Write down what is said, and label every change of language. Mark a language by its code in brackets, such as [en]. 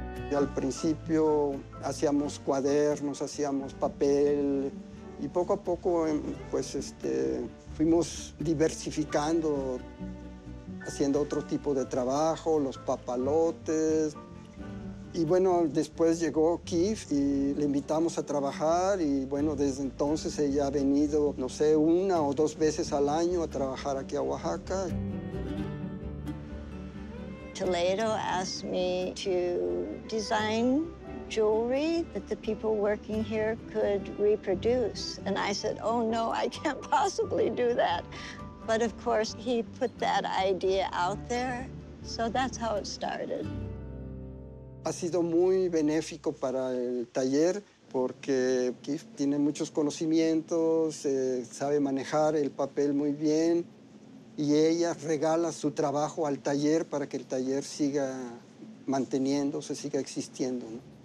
[es] Y al principio hacíamos cuadernos, hacíamos papel y poco a poco pues fuimos diversificando, haciendo otro tipo de trabajo, los papalotes. Y bueno, después llegó Keith y le invitamos a trabajar y bueno, desde entonces ella ha venido, no sé, una o dos veces al año a trabajar aquí a Oaxaca. [en] Toledo asked me to design jewelry that the people working here could reproduce. And I said, oh no, I can't possibly do that. But of course, he put that idea out there. So that's how it started. [es] Ha sido muy benéfico para el taller porque Keith tiene muchos conocimientos, sabe manejar el papel muy bien. Y ella regala su trabajo al taller para que el taller siga manteniéndose, siga existiendo, ¿no?